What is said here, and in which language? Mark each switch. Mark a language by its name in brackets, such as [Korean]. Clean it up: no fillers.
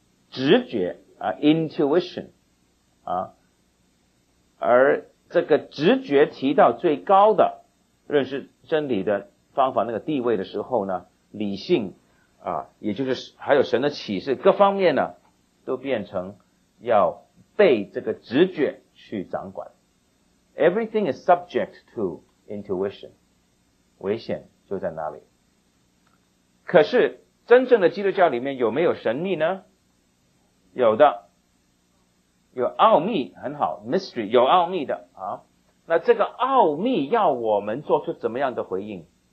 [Chinese] 直觉啊 ，intuition 啊。而这个直觉提到最高的认识真理的方法那个地位的时候呢，理性啊，也就是还有神的启示，各方面呢，都变成。要被这个直觉去掌管。 [English] Everything is subject to intuition. [Chinese] 危险就在那里。可是真正的基督教里面有没有神秘呢？有的。有奥秘，很好 ,mystery, 有奥秘的。啊、那这个奥秘要我们做出怎么样的回应？